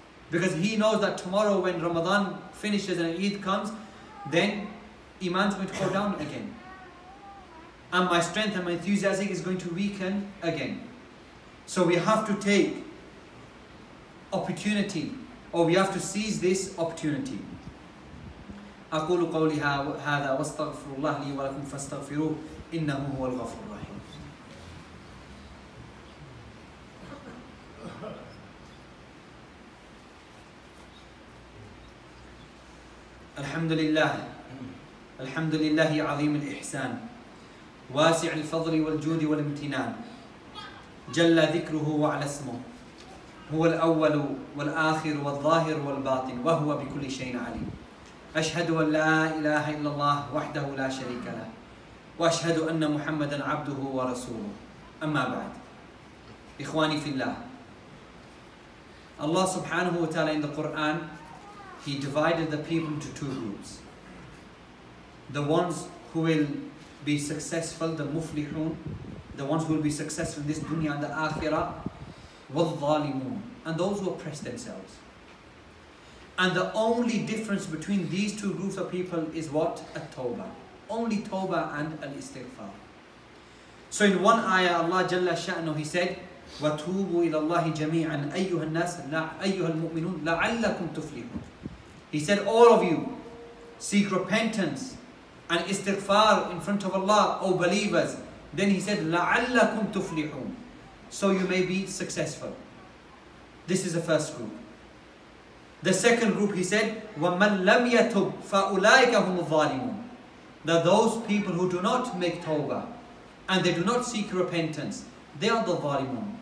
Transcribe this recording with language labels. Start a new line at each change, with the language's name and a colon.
English: Because he knows that tomorrow when Ramadan finishes and Eid comes, then iman is going to go down again. And my strength and my enthusiasm is going to weaken again. So we have to take opportunity, or we have to seize this opportunity.
Arabic: أقول قولي هذا واستغفر الله لي ولكم فاستغفروه إنه هو الغفور الرحيم. الحمد لله. الحمد لله عظيم الإحسان. واسع الفضل والجود والامتنان جل ذكره وعلى اسمه هو الأول والآخر والظاهر والباطن وهو بكل شيء عليم أشهد أن لا إله إلا الله وحده لا شريك له وأشهد أن محمدا عبده ورسوله أما بعد إخواني في الله الله سبحانه وتعالى
English: in the Quran he divided the people into two groups, the ones who will be successful, the muflihun, the ones who will be successful in this dunya and the akhirah,
Arabic: والظالمون,
English: and those who oppress themselves. And the only difference between these two groups of people is what? At-tawbah. Only tawbah and al-istighfar. So in one ayah, Allah Jalla Sha'nu, he said,
Arabic: وَتُوبُوا إِلَى اللَّهِ جَمِيعًا أَيُّهَا النَّاسَ أَيُّهَا الْمُؤْمِنُونَ لَعَلَّكُمْ تُفْلِحُونَ.
English: He said, all of you, seek repentance and istighfar in front of Allah, O believers. Then he said,
Arabic: لَعَلَّكُمْ تُفْلِحُونَ,
English: so you may be successful. This is the first group. The second group, he said,
Arabic: وَمَنْ لَمْ يَتُبْ فَأُولَٰئِكَ هُمُ الظَّالِمُونَ,
English: that those people who do not make tawbah and they do not seek repentance, they are the ظَالِمُونَ.